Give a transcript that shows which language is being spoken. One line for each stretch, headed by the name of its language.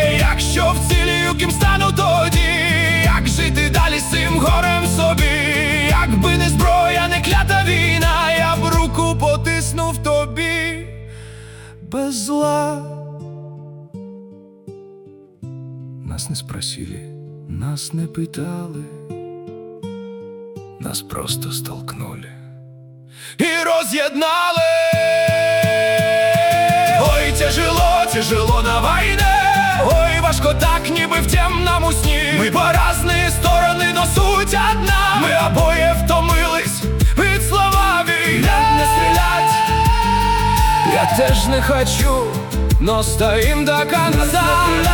Ukrainian: Якщо вцілію, ким стану тоді? Як жити далі з цим горем собі? Якби не зброя, не клята війна, я б руку потиснув тобі без зла.
Russian: Нас не спросили, нас не питали, нас просто столкнули и разъединили. Ой, тяжело, тяжело на войне.
Ukrainian: Ой, важко так, ніби в темному сні. Ми по різні сторони, но суть одна. Ми обоє втомились від слова війни. Не стрілять, я теж не хочу, но стоїм до конца.